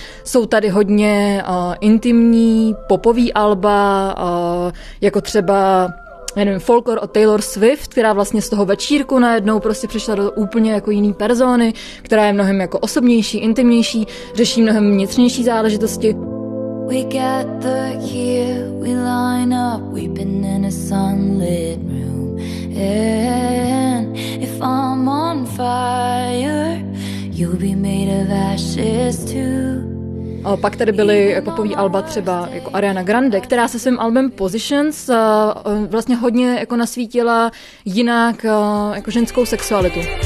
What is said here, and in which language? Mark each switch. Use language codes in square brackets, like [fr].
[cs] Jsou tady hodně intimní popový alba, jako třeba Folklore od Taylor Swift, která vlastně z toho večírku najednou prostě přišla do úplně jako jiný persony, která je mnohem jako osobnější, intimnější, řeší mnohem vnitřnější záležitosti. [en] We gather here, we line up, we've been in a sunlit room. And if I'm on fire, you'll be made of ashes too. [cs] A pak tady byly popový alba třeba jako Ariana Grande, která se svým albem Positions vlastně hodně jako nasvítila jinak jako ženskou sexualitu.